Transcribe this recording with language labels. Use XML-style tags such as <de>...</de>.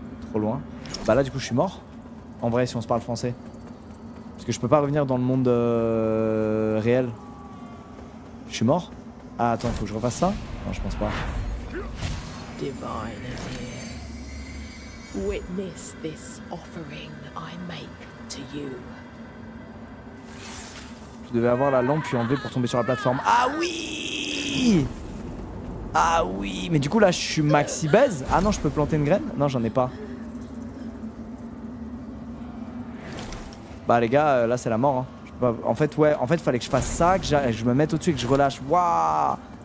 <fr>Trop loin. Bah là du coup je suis mort. En vrai si on se parle français. Parce que je peux pas revenir dans le monde réel. Je suis mort? Ah attends, faut que je refasse ça? Non je pense pas.</fr> <en>Divine is here. Witness this offering I make to you.</en> <fr>Je devais avoir la lampe puis enlever pour tomber sur la plateforme. Ah oui! Ah oui! Mais du coup là je suis maxi baise. Ah non, je peux planter une graine? Non, j'en ai pas. Bah les gars, là c'est la mort. Hein. Je peux pas... En fait, ouais, en fait, fallait que je fasse ça, que je me mette au-dessus et que je relâche. Waouh!</fr>